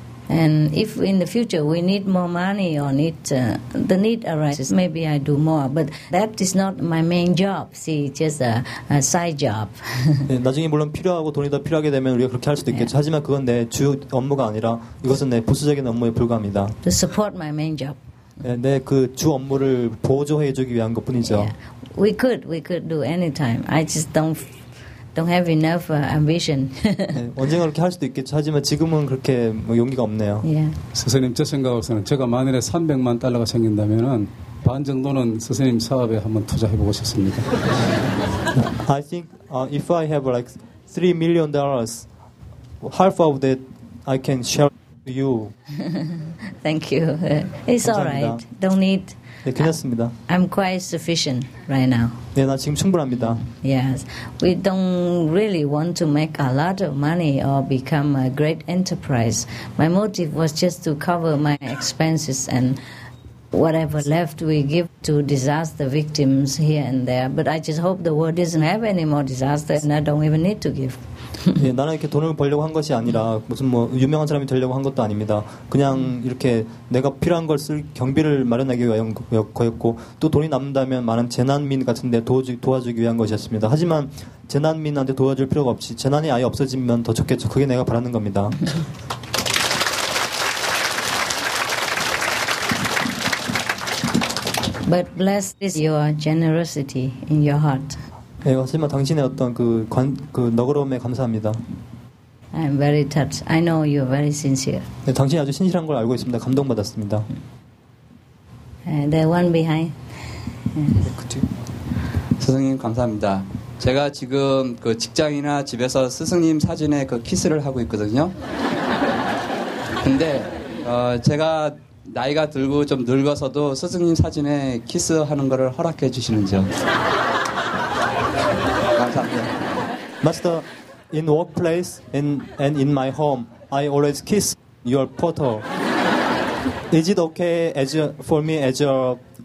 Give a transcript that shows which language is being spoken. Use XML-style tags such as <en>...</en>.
<en>And if in the future we need more money or need the need arises, maybe I do more. But that is not my main job. See, just a side job.</en> <ko>네, 나중에 물론 필요하고 돈이 더 필요하게 되면 우리가 그렇게 할 수도 있겠죠. Yeah. 하지만 그건 내 주 업무가 아니라 이것은 내 부수적인 업무에 불과합니다.</ko> <en>To support my main job.</en> <ko>네, 내 그 주 업무를 보조해 주기 위한 것뿐이죠.</ko> <en>Yeah. We could do anytime. I just don't have enough ambition.</en> <ko>네, 언젠가 그렇게 할 수도 있겠죠. 하지만 지금은 그렇게 뭐 용기가 없네요. Yeah. 선생님, 제 생각으로서는 제가 만일에 300만 달러가 생긴다면은 반 정도는 선생님 사업에 한번 투자해 보고 싶습니다.</ko> <en>I think if I have like $3 million, half of that I can share. You. Thank you. It's all right. Don't need.</en> <ko>네, 괜찮습니다.</ko> <en>I'm quite sufficient right now.</en> <ko>네, 나 지금 충분합니다.</ko> <en>Yes, we don't really want to make a lot of money or become a great enterprise. My motive was just to cover my expenses and whatever left we give to disaster victims here and there. But I just hope the world doesn't have any more disaster, and I don't even need to give.</en> <ko>예, 나는 이렇게 돈을 벌려고 한 것이 아니라 무슨 뭐 유명한 사람이 되려고 한 것도 아닙니다. 그냥 이렇게 내가 필요한 걸 쓸 경비를 마련하기 위한 거였고 또 돈이 남는다면 많은 재난민 같은 데 도와주기 위한 것이었습니다. 하지만 재난민한테 도와줄 필요가 없이 재난이 아예 없어지면 더 좋겠죠. 그게 내가 바라는 겁니다.</ko> <en>But blessed is your generosity in your heart.</en> <ko>네, 하지만 당신의 어떤 그 너그러움에 감사합니다.</ko> <en>I'm very touched. I know you're very sincere.</en> <ko>네, 당신이 아주 신실한 걸 알고 있습니다. 감동받았습니다.</ko> <en>The one behind.</en> <ko>네, 그쵸. 선생님 감사합니다. 제가 지금 그 직장이나 집에서 스승님 사진에 그 키스를 하고 있거든요. 근데 제가 나이가 들고 좀 늙어서도 스승님 사진에 키스하는 거를 허락해 주시는지요?</ko> <en>Master, in workplace and in my home, I always kiss your photo. Is it okay for me as a</en>